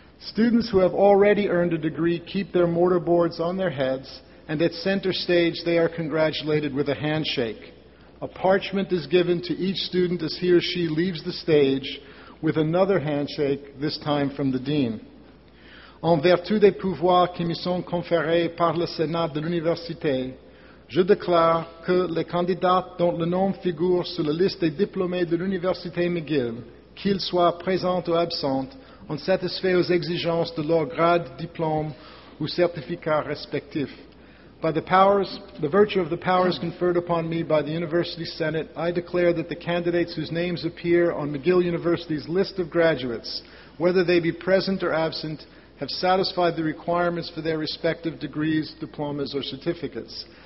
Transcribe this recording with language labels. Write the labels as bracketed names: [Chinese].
[English] Students who have already earned a degree keep their mortarboards on their heads, and at center stage they are congratulated with a handshake. A parchment is given to each student as he or she leaves the stage with another handshake, this time from the dean. [French] En vertu des pouvoirs qui me sont conférés par le Sénat de l'Université, je déclare que les candidats dont le nom figure sur la liste des diplômés de l'Université McGill, qu'ils soient présents ou absents, ont satisfait aux exigences de leur grade, diplôme ou certificat respectif. [English] By the virtue of the powers conferred upon me by the University Senate, I declare that the candidates whose names appear on McGill University's list of graduates, whether they be present or absent, have satisfied the requirements for their respective degrees, diplomas, or certificates.